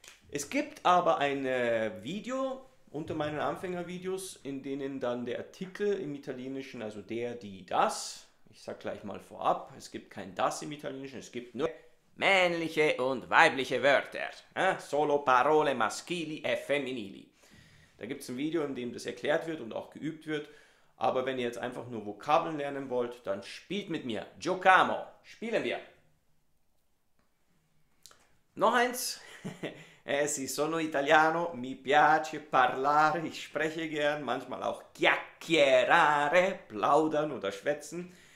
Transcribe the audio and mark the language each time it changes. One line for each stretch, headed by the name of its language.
German: Es gibt aber ein Video unter meinen Anfängervideos, in denen dann der Artikel im Italienischen, also der, die, das, ich sage gleich mal vorab, es gibt kein das im Italienischen, es gibt nur männliche und weibliche Wörter. Ja?
Italian: Solo parole maschili e femminili.
German: Da gibt es ein Video, in dem das erklärt wird und auch geübt wird. Aber wenn ihr jetzt einfach nur Vokabeln lernen wollt, dann spielt mit mir. Giocamo, spielen wir. Noch eins.
Italian: Sì, sono italiano, mi piace parlare,
German: ich spreche gern, manchmal auch chiacchierare, plaudern oder schwätzen.